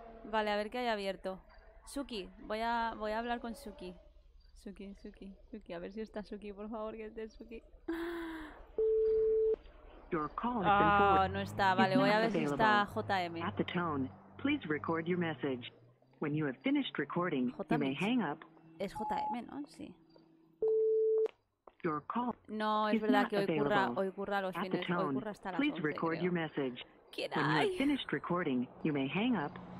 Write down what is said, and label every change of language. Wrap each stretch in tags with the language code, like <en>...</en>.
<es>Vale, a ver qué hay abierto. Suki, voy a hablar con Suki. Suki, Suki, Suki, a ver si está Suki, por favor, que esté Suki. No está, vale, voy a ver si está JM.</es> <en>At the tone, please record your message. When you have finished recording, you may hang up.</en> <es>Es JM, ¿no? Sí.</es> <en>Your call.</en> <es>No, es verdad que hoy curra los fines, hoy curra hasta las 11, creo. ¿Quién hay?</es> <en>When you have finished recording, you may hang up.</en>